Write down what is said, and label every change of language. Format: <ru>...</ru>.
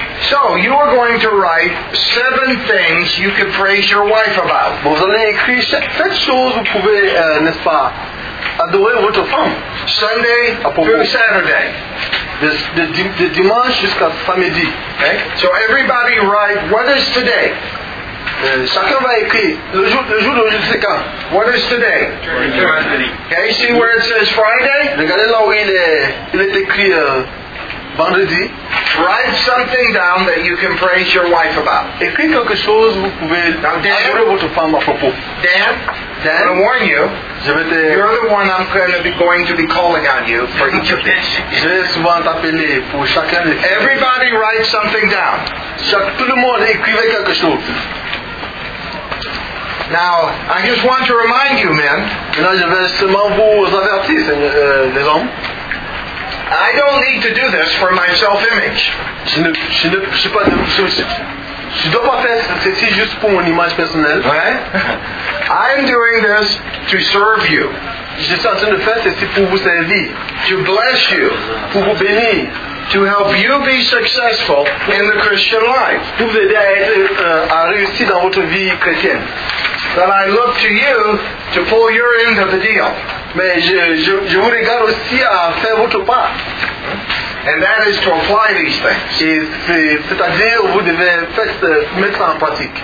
<en>So you are going to write seven things you could praise your wife about.</en> <fr>Vous allez écrire sept choses vous pouvez n'est-ce pas adorer votre femme.</fr> <en>Sunday through Saturday.</en> <fr>De dimanche jusqu'à samedi.</fr> <en>Okay. So everybody write what is today.</en> <fr>Chacun va écrire le jour d'aujourd'hui c'est quand.</fr> <en>What is today? Friday. Okay. See where it says Friday.</en> <fr>Regardez là où il est écrit. Vendredi.</fr> <en>Write something down that you can praise your wife about.</en> <fr>Écris quelque chose vous pouvez adorer votre femme à propos.</fr> <en>Dan, I'm going to warn you. You're the one I'm going to be calling on you for each of these.</en> <fr>Je vais souvent t'appeler pour chacun de.</fr> <en>Everybody write something down.</en> <fr>Tout le monde écrivez quelque chose.</fr> <en>Now, I just want to remind you, men.</en> <fr>Là, je vais seulement vous avertir, les hommes.</fr> <en>I don't need to do this for my self-image.</en> <fr>Je dois pas faire ceci juste pour mon image personnelle.</fr> <en>Ouais. I'm doing this to serve you.</en> <fr>Je suis en train de faire ceci pour vous servir.</fr> <en>To bless you.</en> <fr>Pour vous bénir.</fr> <en>To help you be successful in the Christian life.</en> <fr>Pour vous aider à réussir dans votre vie chrétienne.</fr> <en>But I look to you to pull your end of the deal.</en> <fr>Mais je vous regarde aussi à faire votre part.</fr> <en>And that is to apply these things.</en> <fr>C'est-à-dire vous devez mettre en pratique.</fr>